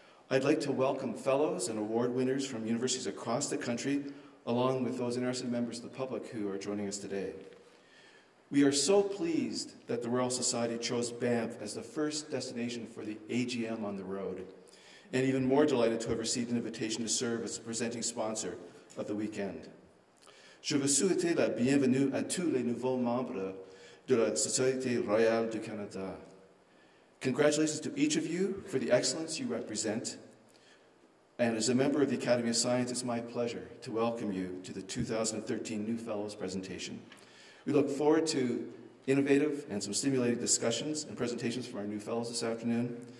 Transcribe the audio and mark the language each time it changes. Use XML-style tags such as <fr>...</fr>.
<en>I'd like to welcome fellows and award winners from universities across the country, along with those interested members of the public who are joining us today. We are so pleased that the Royal Society chose Banff as the first destination for the AGM on the road, and even more delighted to have received an invitation to serve as a presenting sponsor of the weekend.</en> <fr>Je vous souhaite la bienvenue à tous les nouveaux membres de la Société Royale du Canada.</fr> <en>Congratulations to each of you for the excellence you represent. And as a member of the Academy of Science, it's my pleasure to welcome you to the 2013 New Fellows presentation. We look forward to innovative and some stimulating discussions and presentations from our new fellows this afternoon.</en>